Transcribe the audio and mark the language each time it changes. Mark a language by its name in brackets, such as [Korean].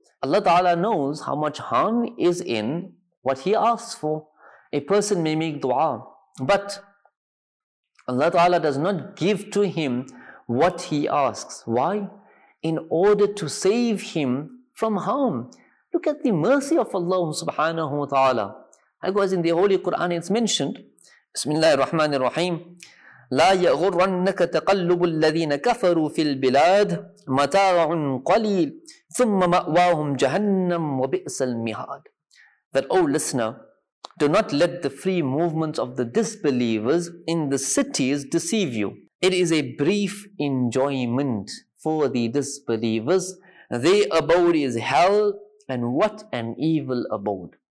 [English] Allah Ta'ala knows how much harm is in what he asks for. A person may make dua, but Allah Ta'ala does not give to him what he asks. Why? In order to save him from harm. Look at the mercy of Allah Subhanahu Wa Ta'ala. Likewise, in the Holy Quran, it's mentioned, [Arabic] Bismillah ar-Rahman ar-Rahim, لَا يَغُرَّنَّكَ تَقَلُّبُ الَّذِينَ كَفَرُوا فِي الْبِلَادِ مَتَاعٌ قَلِيلٌ ثُمَّ مَأْوَاهُمْ جَهَنَّمْ وَبِئْسَ الْمِهَادِ. [English] That, oh listener, do not let the free movements of the disbelievers in the cities deceive you. It is a brief enjoyment for the disbelievers. Their abode is hell, and what an evil abode.